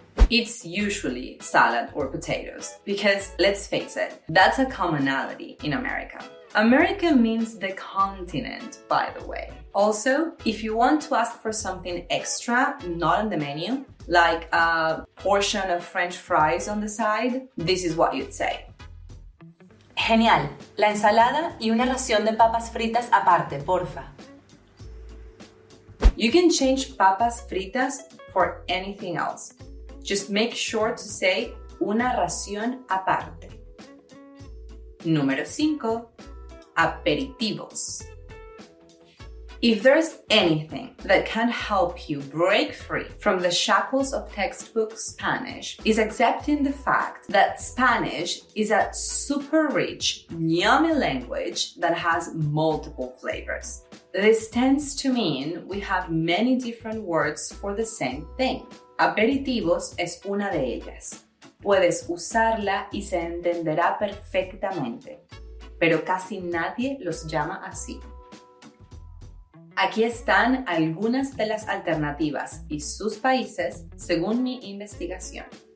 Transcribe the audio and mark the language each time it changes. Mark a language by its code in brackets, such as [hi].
[en] It's usually salad or potatoes, because let's face it, that's a commonality in America. America means the continent, by the way. Also, if you want to ask for something extra, not on the menu, like a portion of French fries on the side, this is what you'd say. [es] Genial. La ensalada y una ración de papas fritas aparte, porfa. [en] You can change papas fritas for anything else. Just make sure to say una ración aparte. [es] Número 5. Aperitivos. [en] If there's anything that can help you break free from the shackles of textbook Spanish, is accepting the fact that Spanish is a super rich, yummy language that has multiple flavors. This tends to mean we have many different words for the same thing. [es] Aperitivos es una de ellas. Puedes usarla y se entenderá perfectamente, pero casi nadie los llama así. Aquí están algunas de las alternativas y sus países según mi investigación.